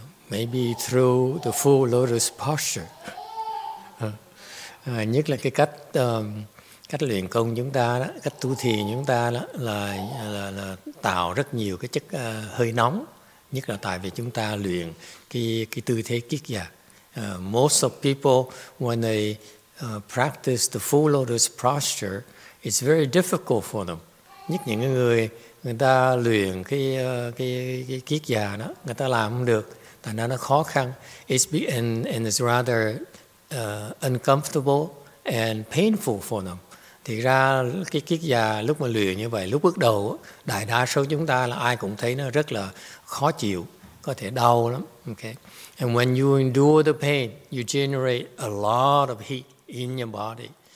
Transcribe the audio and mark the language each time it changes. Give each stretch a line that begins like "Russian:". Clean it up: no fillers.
English: Maybe through the full lotus posture.
Vietnamese: Nhất là cái cách cách luyện công chúng ta đó, cách tu thiền chúng ta đó, là tạo rất nhiều cái chất hơi nóng. Nhất là tại vì chúng ta luyện cái tư thế kiết già.
English: Most of people, when they practice the full lotus posture, it's very difficult for them.
Vietnamese: Nhất những người ta luyện cái kiết già đó, người ta làm không được, tại nó khó khăn.
English: And it's rather uncomfortable and painful for them.
Vietnamese: Thì ra cái kiết già lúc mà luyện như vậy, lúc bước đầu, đại đa số chúng ta là ai cũng thấy nó rất là khó chịu, có thể đau lắm.
English: Okay. And when you endure the pain, you generate a lot of heat in your body.